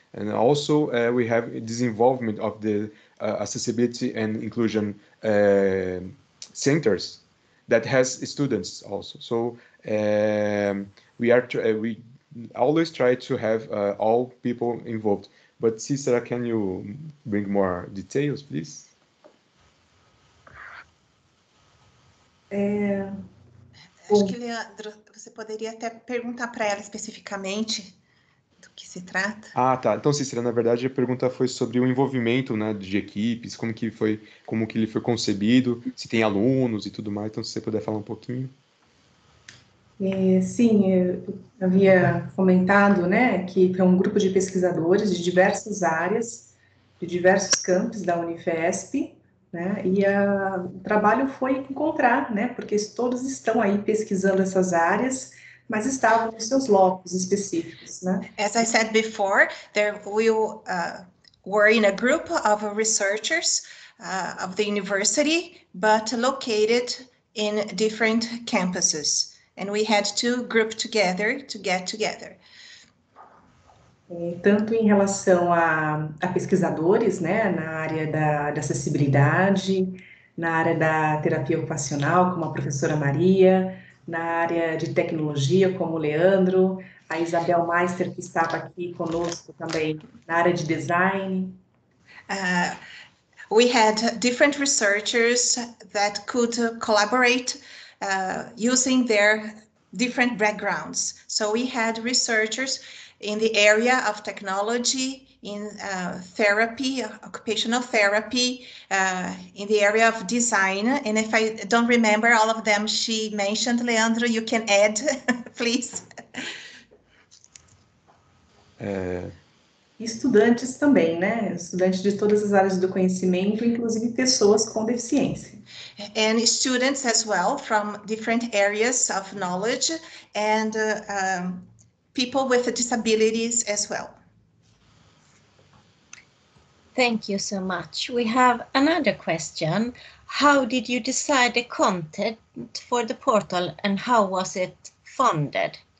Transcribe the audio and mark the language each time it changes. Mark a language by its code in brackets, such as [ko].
[en] And also we have this involvement of the accessibility and inclusion centers that has students also. So we always try to have all people involved. But Cicera, can you bring more details, please? [pt] Acho que, Leandro, você poderia até perguntar para ela especificamente que se trata. Ah, tá. Então, Cicera, na verdade, a pergunta foi sobre o envolvimento, né, de equipes, como que ele foi concebido, se tem alunos e tudo mais. Então, se você puder falar um pouquinho. Sim, eu havia comentado, né, que é um grupo de pesquisadores de diversas áreas, de diversos campos da Unifesp, né, e o trabalho foi encontrar, né, porque todos estão aí pesquisando essas áreas, mas estavam nos seus locos específicos, né? [en] As I said before, we were in a group of researchers of the university, but located in different campuses. And we had to group together to get together. [pt] Tanto em relação a pesquisadores, né, na área da acessibilidade, na área da terapia ocupacional, como a professora Maria, na área de tecnologia, como o Leandro, a Isabel Meister, que estava aqui conosco também, na área de design. [en] We had different researchers that could collaborate using their different backgrounds. So we had researchers in the area of technology, in therapy, occupational therapy, in the area of design. And if I don't remember all of them she mentioned, Leandro, you can add, please. [pt] Estudantes também, né? Estudantes de todas as áreas do conhecimento, inclusive pessoas com deficiência. [en] And students as well from different areas of knowledge and people with disabilities as well. Thank you so much. We have another question. How did you decide the content for the portal and how was it funded?